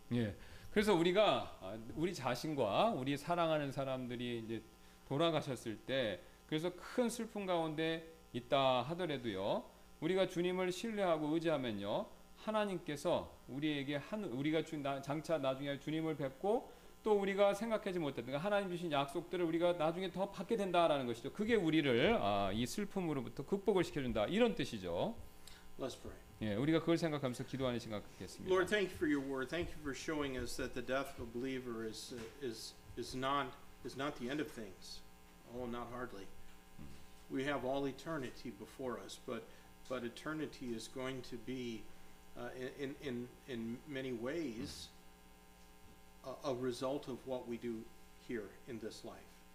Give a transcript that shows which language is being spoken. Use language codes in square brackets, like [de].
[ko] 예. 그래서 우리가 우리 자신과 우리 사랑하는 사람들이 이제 돌아가셨을 때 그래서 큰 슬픔 가운데 있다 하더라도요. 우리가 주님을 신뢰하고 의지하면요. 하나님께서 우리에게 우리가 장차 나중에 주님을 뵙고 또 우리가 생각하지 못했던 하나님 주신 약속들을 우리가 나중에 더 받게 된다라는 것이죠. 그게 우리를 이 슬픔으로부터 극복을 시켜준다. 이런 뜻이죠. [en] Let's pray. [ko] 예, 우리가 그걸 생각하면서 기도하는 시간 갖겠습니다. [en] Lord, thank you for your word. Thank you for showing us that the death of a believer is not the end of things. Oh, not hardly. We have all eternity before us, but eternity is going to be in many ways a result of what we do here in this life.